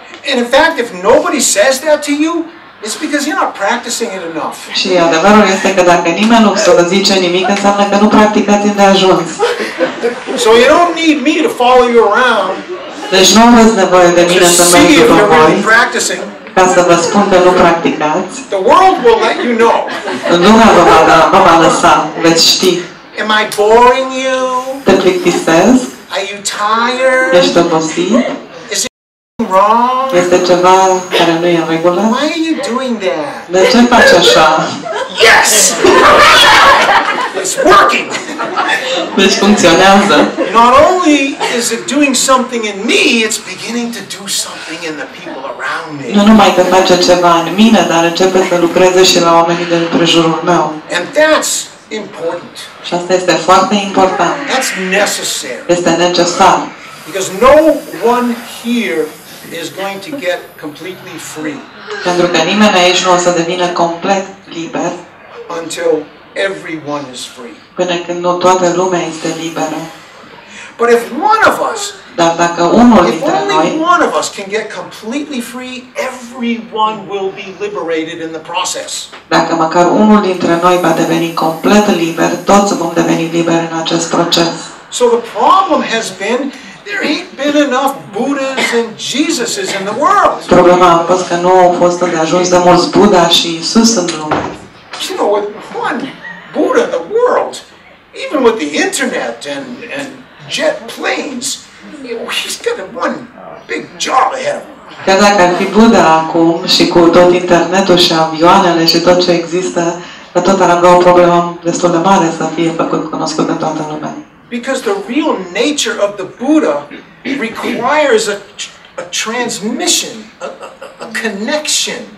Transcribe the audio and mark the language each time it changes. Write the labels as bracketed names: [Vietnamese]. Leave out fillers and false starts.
[English] And in fact, if nobody says that to you, it's because you're not practicing it enough. [Romanian] Și adevărul este că dacă nimeni nu vă zice nimic, înseamnă că nu practicați îndeajuns. [English] So you don't need me to follow you around. [Romanian] Deci nu aveți nevoie de mine să mă duc după voi. Ca să vă spun că nu practicați. [English] The world will let you know. [Romanian] Lumea vă va lăsa, veți ști. [English] Am I boring you? [Romanian] Te plictisesc? [English] Are you tired? [Romanian] Ești obosit? [English] Wrong. [Romanian] Este ceva care nu e în regulă? [English] Why are you doing that? [Romanian] De ce faci așa? [English] Yes! It's working! [Romanian] Deci funcționează. [English] Not only is it doing something in me, it's beginning to do something in the people around me. [Romanian] Nu numai că face ceva în mine, dar începe să lucreze și la oamenii din împrejurul meu. [English] And that's important. [Romanian] Și asta este foarte important. [English] That's necessary. [Romanian] Este necesar. [English] Because no one here is going to get completely free. [Romanian] Pentru că nimeni aici nu o să devină complet liber. [English] Until everyone is free. [Romanian] Până când nu toată lumea este liberă. [English] But if one of us, [Romanian] dar dacă unul dintre noi, [English] if only one of us can get completely free, everyone will be liberated in the process. [Romanian] Dacă măcar unul dintre noi va deveni complet liber, toți vom deveni liberi în acest proces. [English] So the problem has been there ain't been enough Buddhas and Jesuses in the world. [Romanian] Problema a fost că nu au fost îndeajuns de mulți Buddha și Isus în lume. [English] You know, with one Buddha in the world, even with the internet and jet planes, he's got one big job ahead of him. [Romanian] Chiar dacă ar fi Buddha acum și cu tot internetul și avioanele și tot ce există, tot ar avea o problemă destul de mare să fie făcut cunoscut de toată lumea. [English] Because the real nature of the Buddha requires a transmission, a connection.